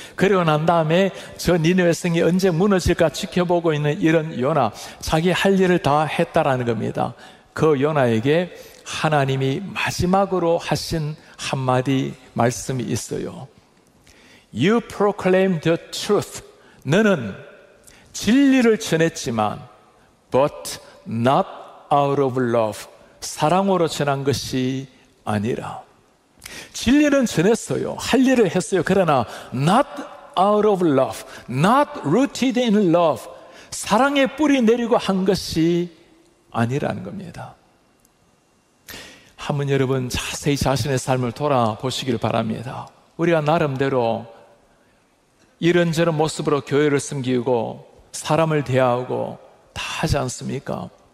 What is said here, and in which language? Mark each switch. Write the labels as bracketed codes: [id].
[ko] 그리고 난 다음에 저 니느웨 성이 언제 무너질까 지켜보고 있는 이런 요나, 자기 할 일을 다 했다라는 겁니다. 그 요나에게 하나님이 마지막으로 하신 한마디 말씀이 있어요. [en] You proclaim the truth. [ko] 너는 진리를 전했지만, [en] but not out of love. [ko] 사랑으로 전한 것이 아니라. 진리는 전했어요. 할 일을 했어요. [en] 그러나 not out of love, not rooted in love. [ko] 사랑에 뿌리 내리고 한 것이 아니라는 겁니다. 한번 여러분 자세히 자신의 삶을 돌아보시길 바랍니다. 우리가 나름대로 이런저런 모습으로 교회를 섬기고 사람을 대하고 다 하지 않습니까?